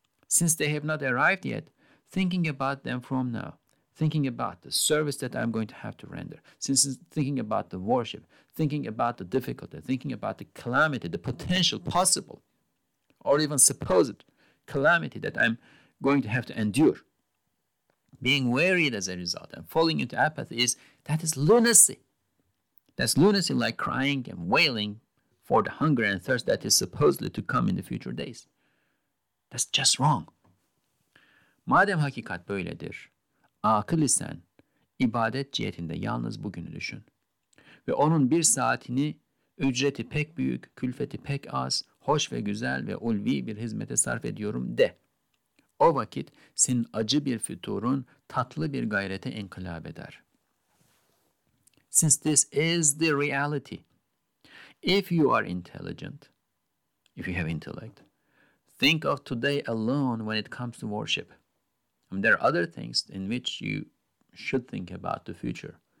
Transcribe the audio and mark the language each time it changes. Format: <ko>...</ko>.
<en>Since they have not arrived yet, thinking about them from now, thinking about the service that I'm going to have to render, since thinking about the worship, thinking about the difficulty, thinking about the calamity, the potential possible, or even supposed calamity that I'm going to have to endure, being wearied as a result and falling into apathy, that is lunacy. That's lunacy, like crying and wailing for the hunger and thirst that is supposedly to come in the future days. That's just wrong.</en> <tr>Madem hakikat böyledir, akıl isen, ibadet cihetinde yalnız bugünü düşün. Ve onun bir saatini, ücreti pek büyük, külfeti pek az, hoş ve güzel ve ulvi bir hizmete sarf ediyorum de. O vakit senin acı bir fütürün tatlı bir gayrete inkılap eder.</tr> <en>Since this is the reality, if you are intelligent, if you have intellect, think of today alone when it comes to worship. And there are other things in which you should think about the future.</en>